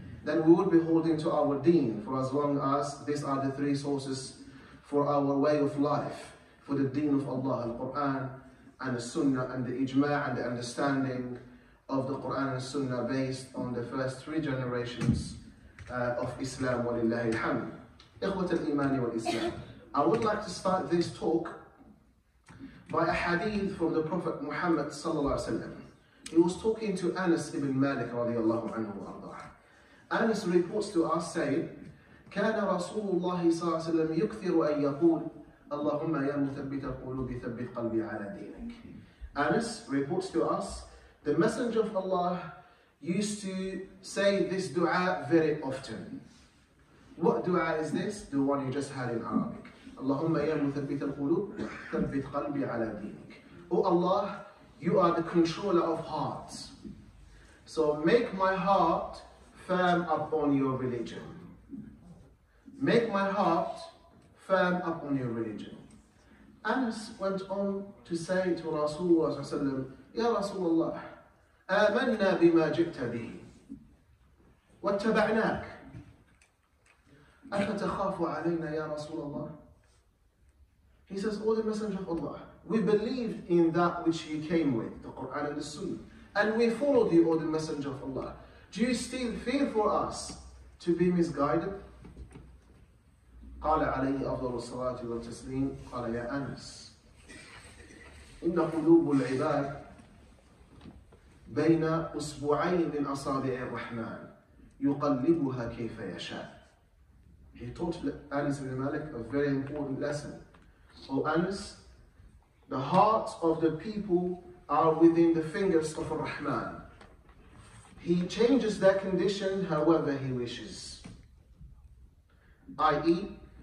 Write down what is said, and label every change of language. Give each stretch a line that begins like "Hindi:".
English: then we would be holding to our deen for as long as these are the three sources for our way of life, for the deen of Allah, the Quran and the Sunnah and the Ijma' and the understanding of the Quran and Sunnah based on the first three generations of Islam,
Arabic: walillahi alhamd. Ikhwat al-Imani wal-Islam.
English: I would like to start this talk by a hadith from the Prophet Muhammad sallallahu alaihi wasallam. He was talking to Anas ibn Malik radiallahu anhu wa ardah. Anas reports to us saying,
Arabic: كان رسول الله صلى الله عليه وسلم يكثر أن يقول اللهم يا مثبت قلوب ثبت قلبي على دينك.
English: Anas reports to us, the Messenger of Allah used to say this dua very often. What dua is this? The one you just had in Arabic.
Arabic: Allahumma ya muthabbit al-qulub, thabbit qalbi ala deenik.
English: Oh Allah, you are the controller of hearts. So make my heart firm upon your religion. Make my heart firm upon your religion. Anas went on to say to Rasulullah,
Arabic: Ya Rasulullah, Amanna bima jibta bihi. واتبعناك أفتخاف علينا يا رسول الله.
English: He says, oh, the messenger of Allah, we believed in that which you came with, the Quran and the Sunnah, and we followed you, oh, the messenger of Allah. Do you still fear for us to be misguided?
Arabic: قال عليه أفضل الصلاة والتسليم قال يا أنس إن قلوب العباد بين أسبوعين من أصابع الرحمن يُقَلِّبُهَا كَيْفَ يَشَاءُ.
English: He taught Anas ibn Malik a very important lesson. So Anas, the hearts of the people are within the fingers of Rahman. He changes their condition however he wishes. I.e.